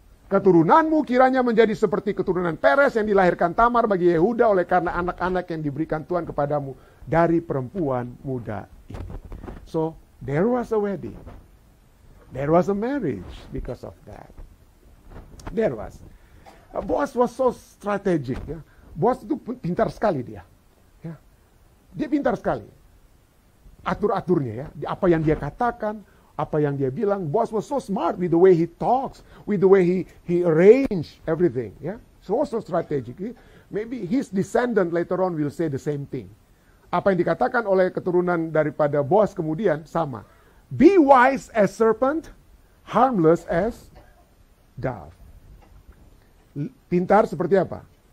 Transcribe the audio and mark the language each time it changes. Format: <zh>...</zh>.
<id>Keturunanmu kiranya menjadi seperti keturunan Peres yang dilahirkan Tamar bagi Yehuda oleh karena anak-anak yang diberikan Tuhan kepadamu dari perempuan muda ini.</id> <en>So, there was a wedding. There was a marriage because of that. There was. Boaz was so strategic. Yeah.</en> <id>Boaz itu pintar sekali dia. Yeah. Dia pintar sekali. Atur-aturnya ya. Apa yang dia katakan, apa yang dia bilang.</id> <en>Boaz was so smart with the way he talks, with the way he arranged everything. Yeah. So strategic. Maybe his descendant later on will say the same thing.</en> <id>Apa yang dikatakan oleh keturunan daripada Boaz kemudian sama.</id> <en>Be wise as serpent, harmless as dove.</en> <id>Pintar seperti apa?</id>